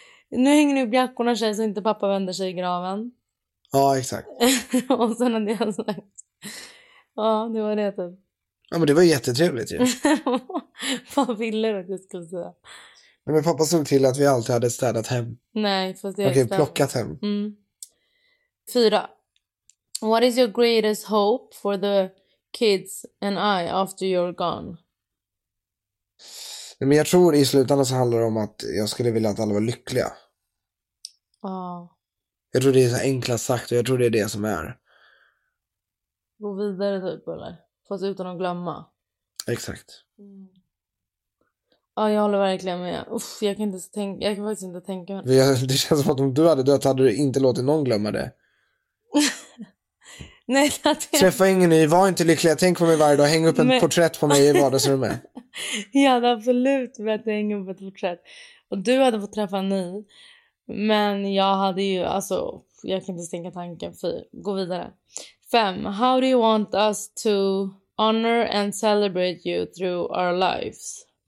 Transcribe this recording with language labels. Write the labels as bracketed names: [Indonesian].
[Swedish] Nu hänger nu upp jackorna tjej så inte pappa vänder sig i graven. Ja, exakt. Och sen hade jag sagt. Ja, det var det typ. Ja, men det var jättetrevligt ju. Vad ville du att du skulle säga? Men pappa såg till att vi alltid hade städat hem. Nej, för det är okej, plockat hem. Mm. 4. [English] What is your greatest hope for the kids and I after you're gone? [Swedish] Men jag tror i slutändan så handlar det om att jag skulle vilja att alla var lyckliga. Ja. Oh. Jag tror det är så enklast sagt och jag tror det är det som är. Gå vidare typ, eller? Fast utan att glömma. Exakt. Mm. Ja, jag håller verkligen med. Uff, jag kan inte tänka, jag kan faktiskt inte tänka mig. Det känns som att om du hade dött hade du inte låtit någon glömma det. Nej, träffa ingen ny, var inte lycklig. Jag tänker på mig varje dag, häng upp en porträtt på mig i vardagsrummet. Jag hade absolut velat hänga upp ett porträtt. Och du hade fått träffa en ny. Men jag hade ju, alltså, jag kan inte stänga tanken. Fyra, gå vidare. 5. [English] How do you want us to honor and celebrate you through our lives?